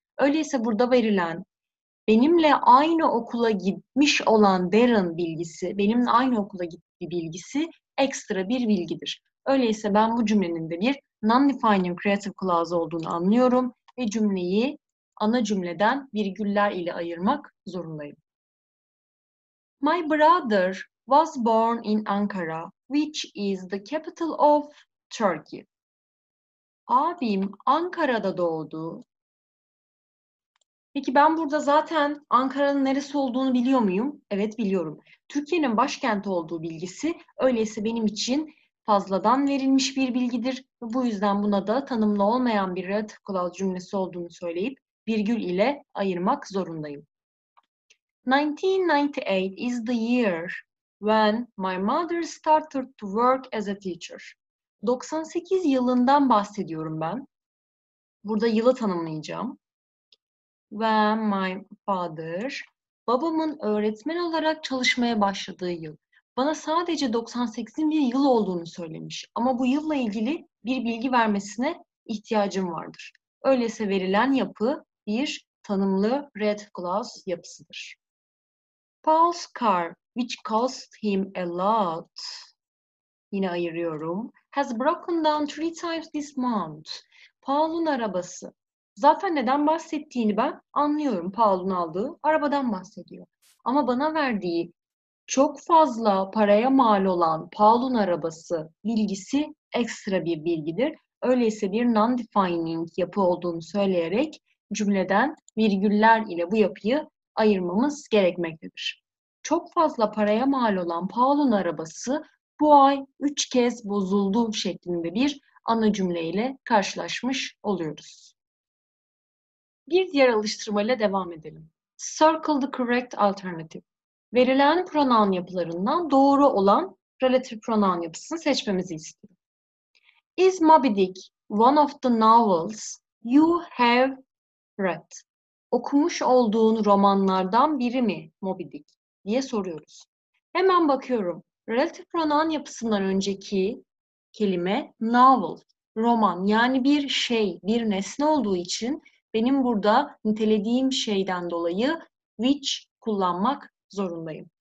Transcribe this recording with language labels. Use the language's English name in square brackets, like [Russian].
[Turkish] Öyleyse burada verilen benimle aynı okula gitmiş olan Darren bilgisi, benimle aynı okula gittiği bilgisi ekstra bir bilgidir. Öyleyse ben bu cümlenin de bir non-defining creative clause olduğunu anlıyorum ve cümleyi ana cümleden virgüller ile ayırmak zorundayım. [English] My brother was born in Ankara, which is the capital of Turkey. [Turkish] Abim Ankara'da doğdu. Peki ben burada zaten Ankara'nın neresi olduğunu biliyor muyum? Evet biliyorum. Türkiye'nin başkenti olduğu bilgisi öyleyse benim için fazladan verilmiş bir bilgidir. Bu yüzden buna da tanımlı olmayan bir relative clause cümlesi olduğunu söyleyip virgül ile ayırmak zorundayım. [English] 1998 is the year when my mother started to work as a teacher. [Turkish] 98 yılından bahsediyorum ben. Burada yılı tanımlayacağım. [English] When my father, [Turkish] babamın öğretmen olarak çalışmaya başladığı yıl. Bana sadece 98'in bir yıl olduğunu söylemiş. Ama bu yılla ilgili bir bilgi vermesine ihtiyacım vardır. Öyleyse verilen yapı bir tanımlı red clause yapısıdır. [English] Paul's car, which cost him a lot, [Turkish] yine ayırıyorum, [English] has broken down three times this month. [Turkish] Paul'un arabası. Zaten neden bahsettiğini ben anlıyorum. Paul'un aldığı arabadan bahsediyor. Ama bana verdiği çok fazla paraya mal olan Paul'un arabası bilgisi ekstra bir bilgidir. Öyleyse bir non-defining yapı olduğunu söyleyerek cümleden virgüller ile bu yapıyı ayırmamız gerekmektedir. Çok fazla paraya mal olan Paul'un arabası bu ay 3 kez bozuldu şeklinde bir ana cümleyle karşılaşmış oluyoruz. Bir diğer alıştırmayla devam edelim. [English] Circle the correct alternative. [Turkish] Verilen pronoun yapılarından doğru olan relative pronoun yapısını seçmemizi istiyorum. [English] Is Moby Dick one of the novels you have read? [Turkish] Okumuş olduğun romanlardan biri mi Moby Dick diye soruyoruz. Hemen bakıyorum. Relative pronoun yapısından önceki kelime novel, roman yani bir şey, bir nesne olduğu için benim burada nitelediğim şeyden dolayı which kullanmak zorundayım.